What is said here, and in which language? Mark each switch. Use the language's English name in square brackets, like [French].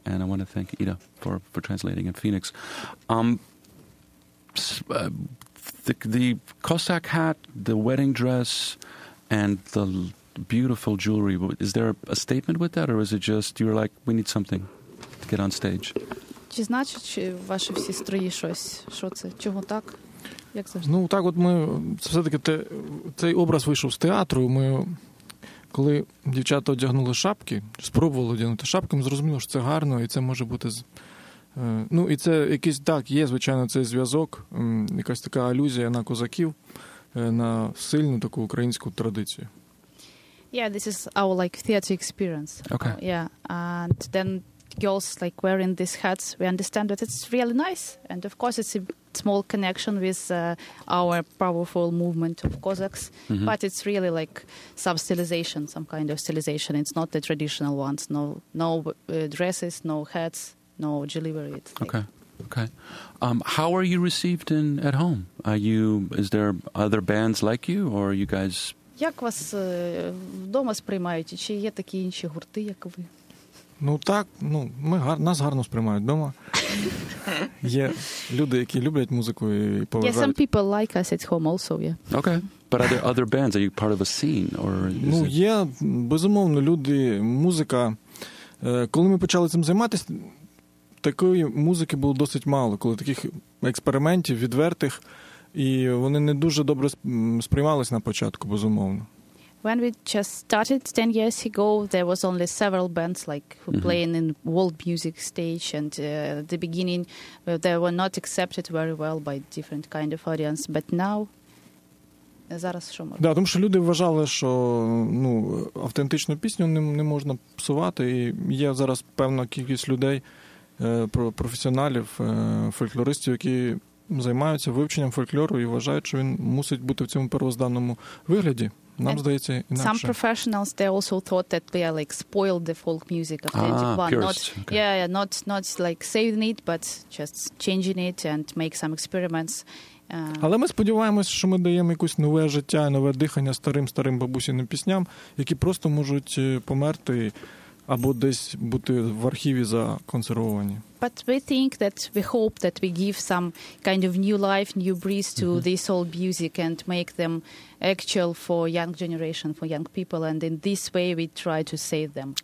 [English] And I want to thank Ida for translating in Phoenix. The Cossack hat, the wedding dress, and the beautiful jewelry, is there a statement with that, or is it just you're like, we need something to get on stage? [Ukrainian] Чи значить, чи ваші всі строї щось? Що це? Чого так? Як це? Ну, так от ми все-таки цей образ вийшов з театру, ми коли дівчата одягнули шапки, спробували одягнути шапки, ми зрозуміли, що це гарно, і це може бути... Ну, і це якийсь, так, є, звичайно, цей зв'язок, якась така алюзія на козаків, на сильну таку українську традицію. [English] Yeah, this is our, like, theater experience. Okay. And then girls, like, wearing these hats, we understand that it's really nice. And, of course, it's a small connection with our powerful movement of Cossacks. Mm-hmm. But it's really, like, some stylization, some kind of stylization. It's not the traditional ones. No dresses, no hats. No, deliver it. Okay. How are you received in at home? Is there other bands like you, or are you guys? [Ukrainian] Як вас вдома сприймають? Чи є такі інші гурти, як ви? Ну так, ну ми нас гарно сприймають вдома. Є люди, які люблять музику і поважають. [English] Yeah, some people like us at home also, yeah. Okay. But are there other bands? Are you part of a scene or is [Ukrainian] Ну, є, безумовно, люди, музика. Коли ми почали цим займатися, такої музики було досить мало, коли таких експериментів відвертих, і вони не дуже добре сприймались на початку, безумовно. [English] When we just started 10 years ago, there was only several bands like who mm-hmm. playing in world music stage, and at the beginning they were not accepted very well by different kind of audience, but now [Ukrainian] зараз що можна? Да, тому що люди вважали, що, ну, автентичну пісню не можна псувати, і є зараз певна кількість людей, професіоналів, фольклористів, які займаються вивченням фольклору і вважають, що він мусить бути в цьому первозданному вигляді. Нам здається інакше. [English] Some professionals, they also thought that we are like spoiled the folk music of 91. Not like saving it, but just changing it and make some experiments. [Ukrainian] Але ми сподіваємось, що ми даємо якусь нове життя, нове дихання старим бабусіним пісням, які просто можуть померти або десь бути в архіві законсервовані. [English] But we think that we hope that we give some kind of new life, new breeze to mm-hmm. this old music and make them actual for young generation, for young people, and in this way we try to save them.